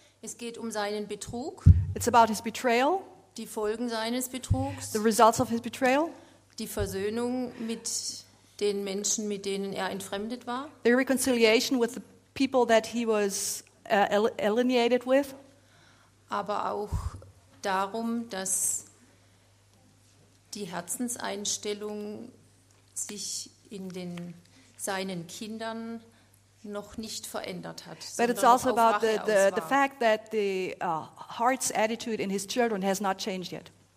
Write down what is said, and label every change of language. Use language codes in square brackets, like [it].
[de] Es geht um seinen Betrug. [en] It's about his betrayal. [de] Die Folgen seines Betrugs. [en] The results of his betrayal. [de] Die Versöhnung mit den Menschen, mit denen er entfremdet war. [en] The reconciliation with the people that he was alienated with. [de] Aber auch darum, dass die Herzenseinstellung sich in den seinen Kindern noch nicht verändert hat. [en] But it's also about the fact that the heart's attitude in his children has not changed yet.